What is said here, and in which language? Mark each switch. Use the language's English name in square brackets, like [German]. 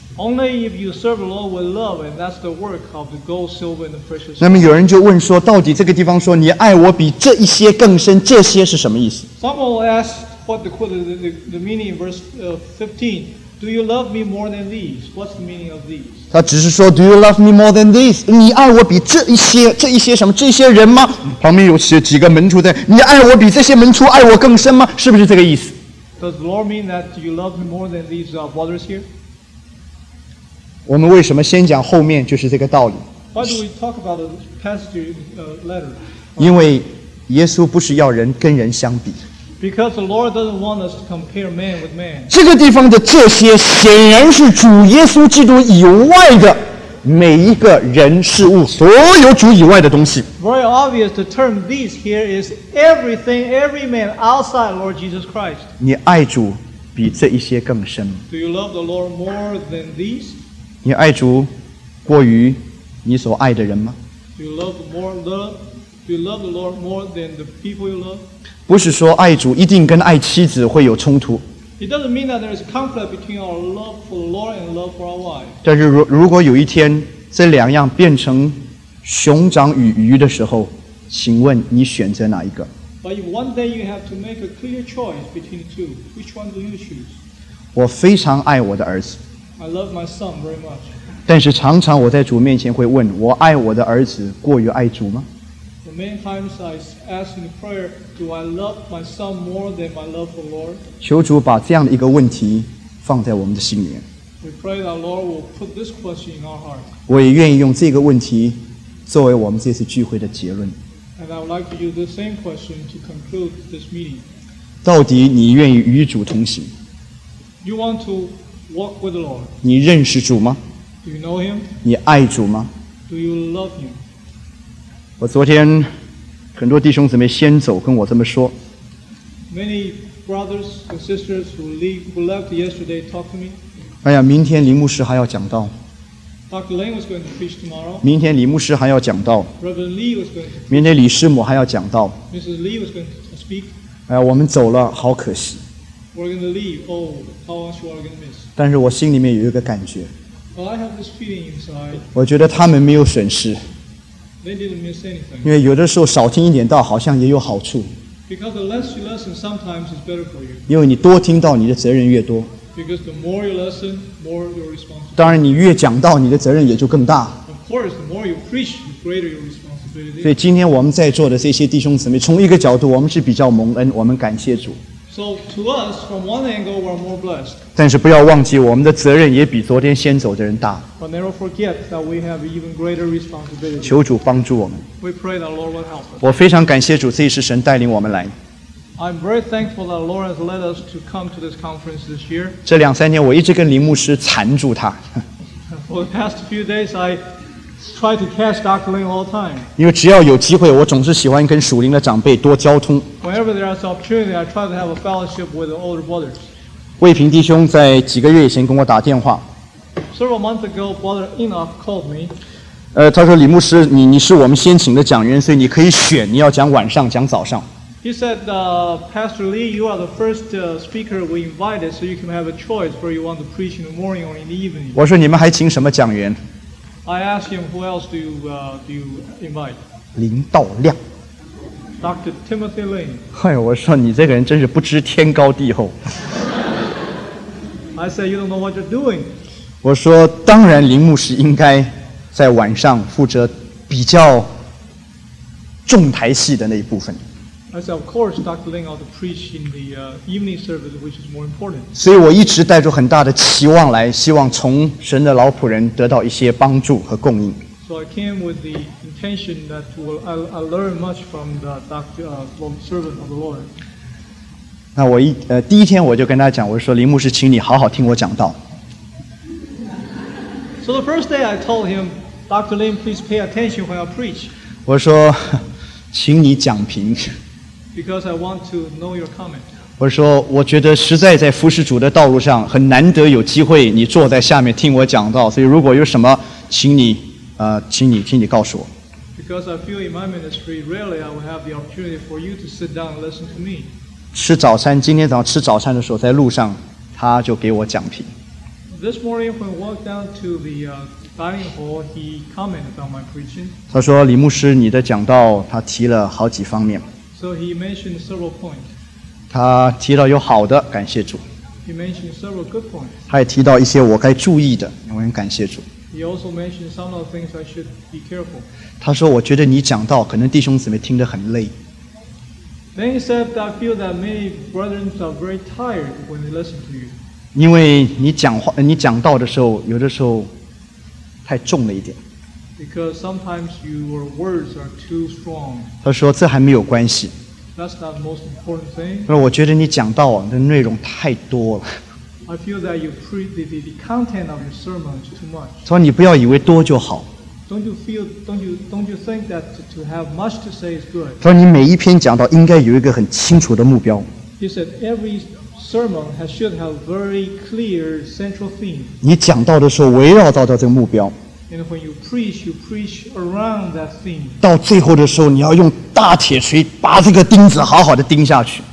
[English] Only if you serve the Lord with love, and that's the work of the gold, silver, and the precious. [Chinese] 那么有人就问说，到底这个地方说你爱我比这一些更深，这些是什么意思？ [English] Someone will ask what the meaning in verse 15. Do you love me more than these? What's the meaning of these? [Chinese] 他只是说 [English] Do you love me more than this? [Chinese] 你爱我比这一些什么这些人吗？旁边有几个门徒在，你爱我比这些门徒爱我更深吗？是不是这个意思？ [English] Does the Lord mean that you love me more than these brothers here? [Chinese] 我们为什么先讲后面，就是这个道理。 [English] Why do we talk about the passage letter? [Chinese] 因为耶稣不是要人跟人相比。 [English] Because the Lord doesn't want us to compare man with man. [Chinese] 这个地方的这些显然是主耶稣基督以外的每一个人事物，所有主以外的东西。 [English] Very obvious, the term these here is everything, every man outside Lord Jesus Christ. [Chinese] 你爱主比这一些更深。 [English] Do you love the Lord more than these? [Chinese] 你爱主过于你所爱的人吗？ [English] Do you love the Lord more than the people you love? [Chinese] 不是说爱主一定跟爱妻子会有冲突。 [English] It doesn't mean that there is conflict between our love for the Lord and love for our wife. [Chinese] 但是如果有一天这两样变成熊掌与鱼的时候，请问你选择哪一个？ [English] But if one day you have to make a clear choice between the two, which one do you choose? [Chinese] 我非常爱我的儿子。 [English] I love my son very much. [Chinese] 但是常常我在主面前会问，我爱我的儿子过于爱主吗？ [English] Many times I ask in prayer, do I love my son more than my love for the Lord? [Chinese] 求主把这样的一个问题放在我们的心里。 [English] We pray that the Lord will put this question in our heart. [Chinese] 我也愿意用这个问题作为我们这次聚会的结论。 [English] And I would like to use the same question to conclude this meeting. [Chinese] 到底你愿意与主同行？ [English] You want to walk with the Lord? [Chinese] 你认识主吗？ [English] Do you know him? [Chinese] 你爱主吗？ [English] Do you love him? [Chinese] 我昨天很多弟兄姊妹先走跟我这么说。 [English] Many brothers and sisters who left yesterday talked to me. [Chinese] 哎呀，明天林牧师还要讲道。 [English] Dr. Lane was going to preach tomorrow. [Chinese] 明天林牧师还要讲道。 [English] Reverend Lee was going to preach. [Chinese] 明天李师母还要讲道。 [English] Mrs. Lee was going to speak. [Chinese] 哎呀，我们走了，好可惜。 [English] We're going to leave. Oh, how much we're going to miss. [Chinese] 但是我心里面有一个感觉。 [English] Well, I have this feeling inside. [Chinese] 我觉得他们没有损失。 [English] They didn't miss anything. [Chinese] 因为有的时候少听一点道好像也有好处。 [English] Because the less you listen, sometimes it's better for you. [Chinese] 因为你多听到你的责任越多。 [English] Because the more you listen, more you're responsible. [Chinese] 当然你越讲道你的责任也就更大。 [English] Of course, the more you preach, the greater your responsibility. [Chinese] 所以今天我们在座的这些弟兄姊妹，从一个角度我们是比较蒙恩，我们感谢主。 [English] So to us, from one angle, we're more blessed. [Chinese] 但是不要忘记，我们的责任也比昨天先走的人大。 [English] But never forget that we have even greater responsibility. [Chinese] 求主帮助我们。 [English] We pray that the Lord will help us. [Chinese] 我非常感谢主，这一次神带领我们来。 [English] I'm very thankful that the Lord has led us to come to this conference this year. [Chinese] 这两三天我一直跟林牧师缠住他。 [English] For the past few days, I try to catch Dr. Lin all the time. [Chinese] 因为只要有机会，我总是喜欢跟属灵的长辈多交通。 [English] Whenever there is opportunity, I try to have a fellowship with the older brothers. [Chinese] 魏平弟兄在几个月以前跟我打电话。 [English] Several months ago, Brother Enoch called me. [Chinese] 他说李牧师，你是我们先请的讲员，所以你可以选你要讲晚上讲早上。 [English] He said, Pastor Lee, you are the first speaker we invited, so you can have a choice whether you want to preach in the morning or in the evening. [Chinese] 我说你们还请什么讲员？ [English] I asked him, who else do you invite? [Chinese] 林道亮。 [English] Dr. Timothy Lane. [Chinese] 哎，我说你这个人真是不知天高地厚。 [English] I said, you don't know what you're doing. [Chinese] 我说当然林牧师应该在晚上负责比较重台戏的那一部分。 [English] I said, of course, Dr. Lin ought to preach in the evening service, which is more important. [Chinese] 所以我一直带着很大的期望来，希望从神的老仆人得到一些帮助和供应。 [English] So I came with the intention that I learned much from the servant of the Lord. [Chinese] 那我第一天我就跟他讲，我说林牧师请你好好听我讲道。 [English] So the first day I told him, Dr. Lin, please pay attention when I preach. [Chinese] 我说请你讲评。 [English] Because I want to know your comment. [Chinese] 我说我觉得实在在服侍主的道路上很难得有机会你坐在下面听我讲道，所以如果有什么请你告诉我。 [English] Because I feel in my ministry, rarely I will have the opportunity for you to sit down and listen to me. [Chinese] 吃早餐，今天早上吃早餐的时候在路上他就给我讲评。 [English] This morning, when I walked down to the dining hall, he commented on my preaching. [Chinese] 他说李牧师你的讲道他提了好几方面。 [English] So he mentioned several points. [Chinese] 他提到有好的，感谢主。 [English] He mentioned several good points. [Chinese] 他也提到一些我该注意的，我很感谢主。 [English] He He also mentioned some of the things I should be careful. [Chinese] 他说我觉得你讲道可能弟兄姊妹听得很累。 [English] Then he said, I feel that many brethren are very tired when they listen to you. [Chinese] 因为你讲道的时候有的时候太重了一点。 [English] Because sometimes your words are too strong. [Chinese] 他说这还没有关系。 [English] That's not the most important thing. [Chinese] 他说我觉得你讲道的内容太多了。 [English] I feel that you preach the content of your sermon is too much. [Chinese] 说你不要以为多就好。 [English] Don't you think that to have much to say is good? [Chinese] 说你每一篇讲道应该有一个很清楚的目标。 [English] He said every sermon should have a very clear central theme. [Chinese] 你讲道的时候围绕到这个目标。 [English] And when you preach around that theme. [Chinese] 到最后的时候，你要用大铁锤把这个钉子好好的钉下去。